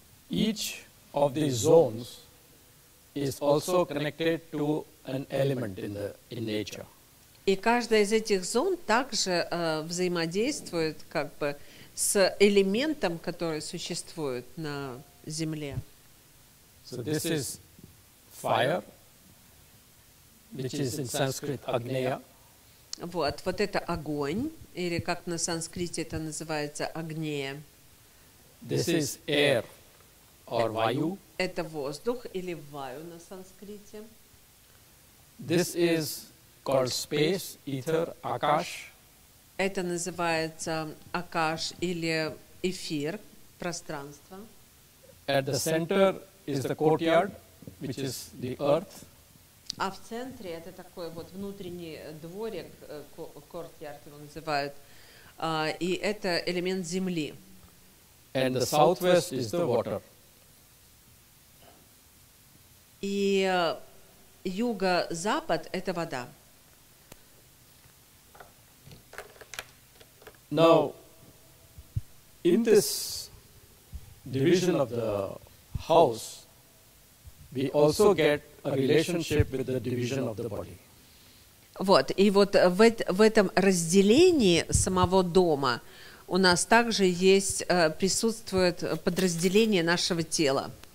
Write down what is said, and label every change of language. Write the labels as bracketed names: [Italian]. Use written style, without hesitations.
[English] Each of these zones is also connected to an element in nature. [Russian] И каждая из этих зон также взаимодействует как бы с элементом, который существует на Земле. [English] So this is fire, which is in Sanskrit agneya. [Russian] Вот это огонь, или как на санскрите это называется агнея. [English] This is air or vayu. [Russian] Это воздух или ваю на санскрите. [English] This is called space, ether, akash. [Russian] Это называется акаш или эфир, пространство. [English] At the center is the courtyard, which is the earth. [Russian] А в центре это такой вот внутренний дворик, courtyard его называют, и это элемент земли. [English] And the southwest is the water. [Russian] И юго-запад – это вода. [English] Now, in this division of the house, we also get a relationship with the division of the body. [Russian] Вот, и вот в этом разделении самого дома у нас также есть, присутствует подразделение нашего тела.